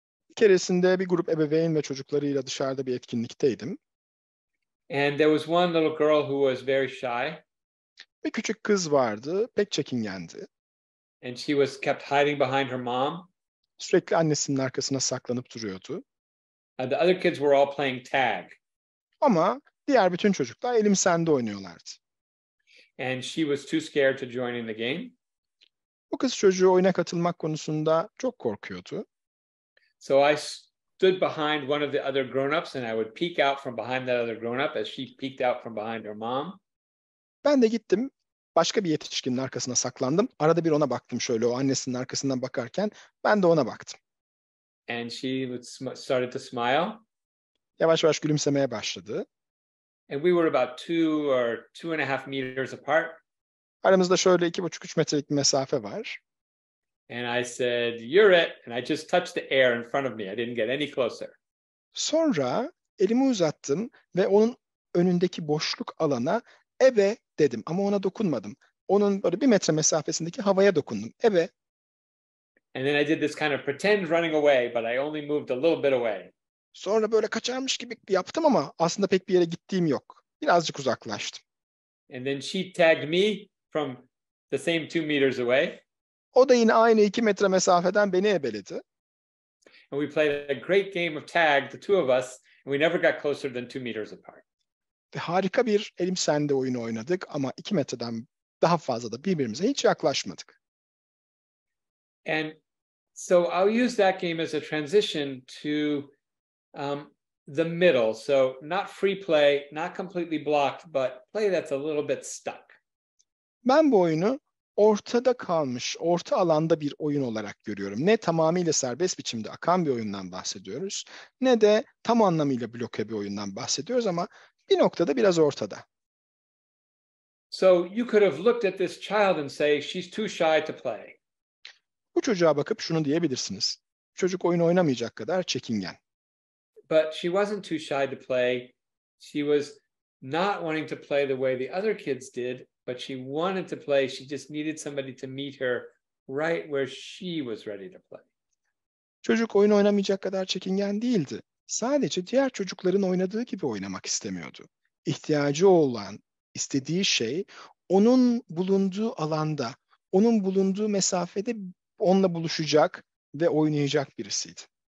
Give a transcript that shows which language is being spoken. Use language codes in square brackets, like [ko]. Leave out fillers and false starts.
[tr] Bir keresinde bir grup ebeveyn ve çocuklarıyla dışarıda bir etkinlikteydim. [en] And there was one little girl who was very shy. [tr] Bir küçük kız vardı, pek çekingendi. [en] And she was kept hiding behind her mom. [tr] Sürekli annesinin arkasına saklanıp duruyordu. [en] The other kids were all playing tag. [tr] Ama diğer bütün çocuklar elim sende oynuyorlardı. [en] And she was too scared to join in the game. [tr] Bu kız çocuğu oyuna katılmak konusunda çok korkuyordu. [en] So I stood behind one of the other grown-ups and I would peek out from behind that other grown-up as she peeked out from behind her mom. [tr] Ben de gittim, başka bir yetişkinin arkasına saklandım. Arada bir ona baktım şöyle, o annesinin arkasından bakarken ben de ona baktım. [en] And she started to smile. [tr] Yavaş yavaş gülümsemeye başladı. [en] And we were about 2 or 2.5 meters apart. [tr] Aramızda şöyle 2.5-3 metrelik bir mesafe var. [en] And I said, "You're it." And I just touched the air in front of me. I didn't get any closer. [tr] Sonra elimi uzattım ve onun önündeki boşluk alana "Ebe" dedim. Ama ona dokunmadım. Onun böyle bir metre mesafesindeki havaya dokundum. "Ebe." [en] And then I did this kind of pretend running away, but I only moved a little bit away. [tr] Sonra böyle kaçarmış gibi yaptım ama aslında pek bir yere gittiğim yok. Birazcık uzaklaştım. [en] And then she tagged me from the same 2 meters away. [tr] O da yine aynı 2 metre mesafeden beni ebeledi. [en] And we played a great game of tag, the two of us, and we never got closer than 2 meters apart. [tr] Ve harika bir elim sende oyunu oynadık ama 2 metreden daha fazla da birbirimize hiç yaklaşmadık. [en] And so I'll use that game as a transition to the middle. So not free play, not completely blocked, but play that's a little bit stuck. [tr] Ben bu oyunu ortada kalmış, orta alanda bir oyun olarak görüyorum. Ne tamamıyla serbest biçimde akan bir oyundan bahsediyoruz, ne de tam anlamıyla bloke bir oyundan bahsediyoruz ama bir noktada biraz ortada. [en] So you could have looked at this child and say she's too shy to play. [tr] Bu çocuğa bakıp şunu diyebilirsiniz. Çocuk oyun oynamayacak kadar çekingen. [en] But she wasn't too shy to play. She was not wanting to play the way the other kids did, but she wanted to play. She just needed somebody to meet her right where she was ready to play. [tr] Çocuk oyun oynamayacak kadar çekingen değildi. Sadece diğer çocukların oynadığı gibi oynamak istemiyordu. İhtiyacı olan, istediği şey onun bulunduğu alanda, onun bulunduğu mesafede onunla buluşacak ve oynayacak birisiydi.